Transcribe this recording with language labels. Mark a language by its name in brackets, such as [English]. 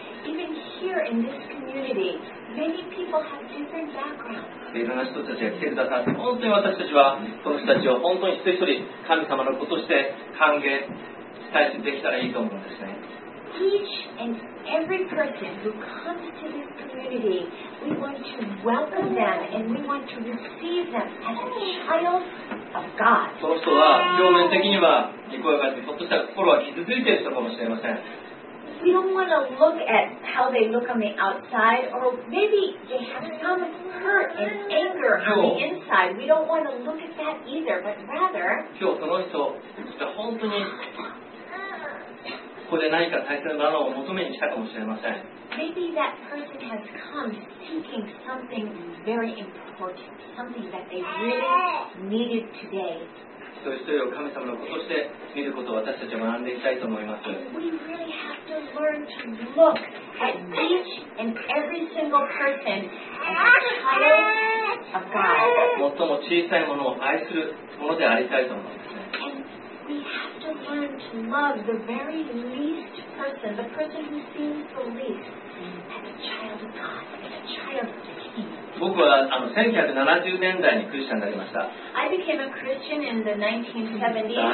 [English] Even here in this community, many people have different backgrounds. [Japanese] いろんな人たちが来てくださって、本当に私たちはその人たちを本当に一人一人神様の子として歓迎したいしできたらいいと思うんですね。 [English] Each and every person who comes to this community, we want to welcome them and we want to receive them as a child of God. [Japanese] その人は表面的にはにこやかで、ひょっとしたら心は傷ついている人かもしれません。 [English] We don't want to look at how they look on the outside, or maybe they have some hurt and anger on the inside. We don't want to look at that either, but rather. [Japanese] 今日その人たちが本当にここで何か大切なものを求めに来たかもしれません。 [English] Maybe that person has come seeking something very important, something that they really needed today. [Japanese] 一人一人を神様の子として見ることを私たちは学んでいきたいと思います。 [English] We really have to learn to look at each and every single person as a child of God. [Japanese] 最も小さいものを愛するものでありたいと思います。 [English] And we have to learn to love the very least person, the person who seems the least, as a child of God, as a child of the King. [Japanese] 僕はあの1970年代にクリスチャンになりました。 [English] I became a Christian in the 1970s.